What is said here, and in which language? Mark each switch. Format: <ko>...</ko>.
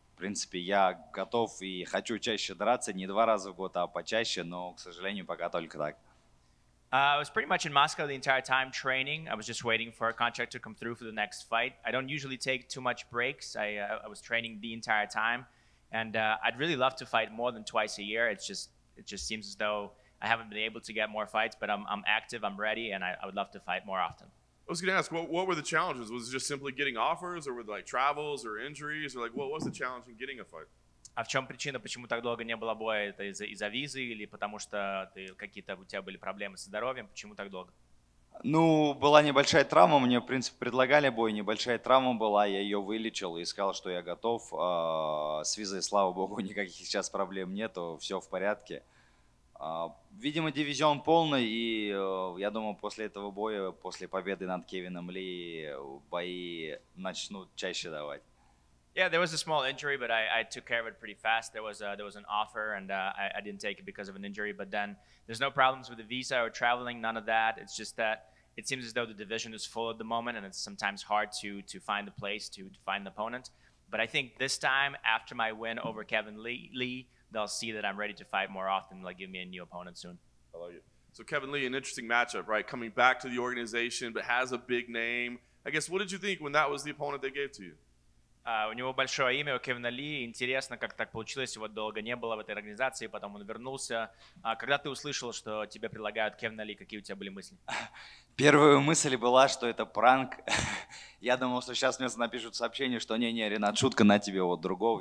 <ru>В принципе, я готов и хочу чаще драться, не два раза в год, а почаще, но, к сожалению, пока только так.</ru> <en>I was pretty much in Moscow the entire time training. I was just waiting for a contract to come through for the next fight. I don't usually take too much breaks. I was training the entire time. And I'd really love to fight more than twice a year. It just seems as though I haven't been able to get more fights, but I'm active, I'm ready, and I would love to fight more often. I was going to ask, what were the challenges? Was it just simply getting offers, or were like travels or injuries? Or like, what was the challenge in getting a fight?</en> <ru>А в чем причина, почему так долго не было боя? Это из-за визы или потому что какие-то у тебя были проблемы со здоровьем? Почему так долго? Ну, была небольшая травма. Мне, в принципе, предлагали бой. Небольшая травма была. Я ее вылечил и сказал, что я готов. С визой, слава богу, никаких сейчас проблем нету. Все в порядке. Видимо, дивизион полный, и я думаю, после этого боя, после победы над Кевином Ли, бои начнут чаще давать.</ru> <en>Yeah, there was a small injury, but I took care of it pretty fast. There was an offer, and I didn't take it because of an injury. But then there's no problems with the visa or traveling, none of that. It's just that it seems as though the division is full at the moment, and it's sometimes hard to find the place to find the opponent. But I think this time, after my win over Kevin Lee, they'll see that I'm ready to fight more often. Like, give me a new opponent soon. I love you. So Kevin Lee, an interesting matchup, right? Coming back to the organization, but has a big name. I guess, what did you think when that was the opponent they gave to you?</en> <ru>У него большое имя, у Кевина Ли. Интересно, как так получилось, его долго не было в этой организации, потом он вернулся. Когда ты услышал, что тебе предлагают Кевина Ли, какие у тебя были мысли? Первая мысль была, что это пранк. Я думал, что сейчас мне напишут сообщение, что не-не, Ренат, шутка, на тебе вот другого.</ru>